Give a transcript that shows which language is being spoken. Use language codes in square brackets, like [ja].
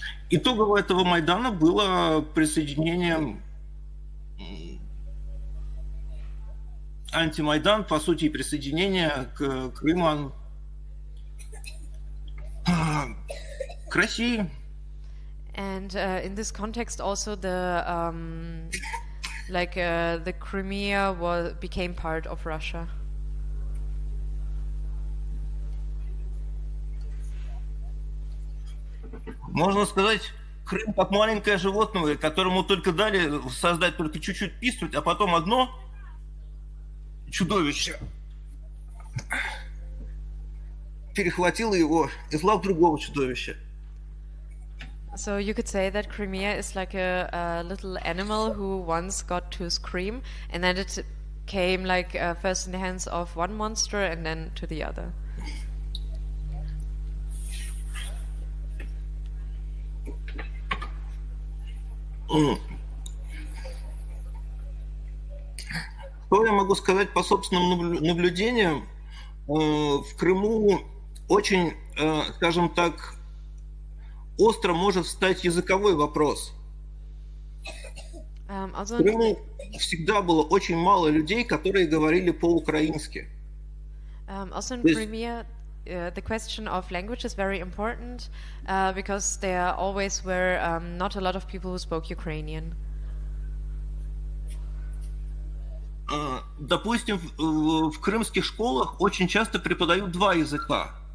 [ru] Итогом этого Майдана было присоединение антимайдан, по сути, присоединение к Крыму, к России. [en] And in this context also the like the Crimea was became part of Russia. [ru] Можно сказать, Крым как маленькое животное, которому только дали создать только чуть-чуть пистуть, а потом одно чудовище перехватило его из лап другого чудовища. [en] So you could say that Crimea is like a little animal who once got to scream, and then it came like first in the hands of one monster and then to the other. [ru] Что я могу сказать по собственным наблюдениям? В Крыму очень, скажем так, остро может встать языковой вопрос. [en] Also... [ru] В Крыму всегда было очень мало людей, которые говорили по-украински. [en] Also in Crimea, the question of language is very important, because there always were not a lot of people who spoke Ukrainian. [ru] Допустим, в крымских школах очень часто преподают два языка.